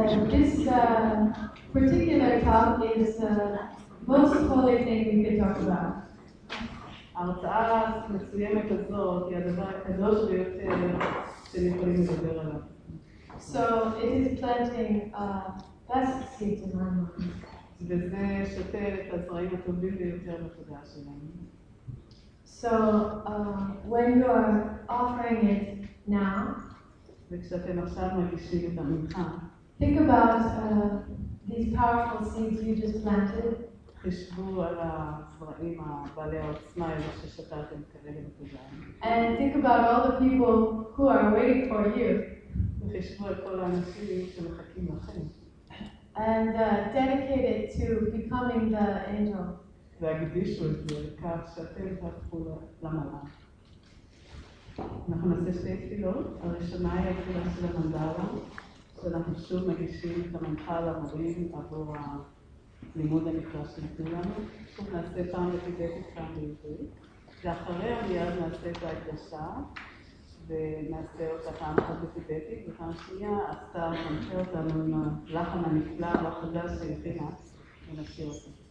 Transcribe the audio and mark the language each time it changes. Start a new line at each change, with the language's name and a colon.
English: This particular talk is the most holy thing we can talk about.
Hebrew: ההרצאה המסוימת הזאת היא הדבר הקדוש ביותר שאני יכולים לדבר עליו.
English: So it is planting best seeds in our minds.
Hebrew: וזה שותל את הזרעים הטובים ביותר בתודעה שלנו.
English: So, when you are offering it now,
Hebrew: וכשאתם עכשיו מגישים את המנחה,
English: Think about these powerful seeds you just planted.
Hebrew: חשבו על הזרעים הבעלי העוצמה האלה ששתלתם כרגע בקודם.
English: And think about all the people who are waiting for you.
Hebrew: וחשבו על כל האנשים שמחכים לכם.
English: And dedicate it to becoming the angel.
Hebrew: והקדישו את זה לכך שאתם תהפכו למלאך. אנחנו נעשה שתי תפילות. הראשונה היא התפילה של המנדלה, שאנחנו שוב מגישים את המנחל המורים עבור לימוד המקרא שנתנו לנו. שוב נעשה פעם בטיבטית פעם בעברית, ואחריה מיד נעשה את ההקדשה, ונעשה אותה פעם אחת בטיבטית, ופעם שנייה עשתה המנחה אותנו עם הלחן הנפלא והחדש שהכינה, ונשאיר אותה.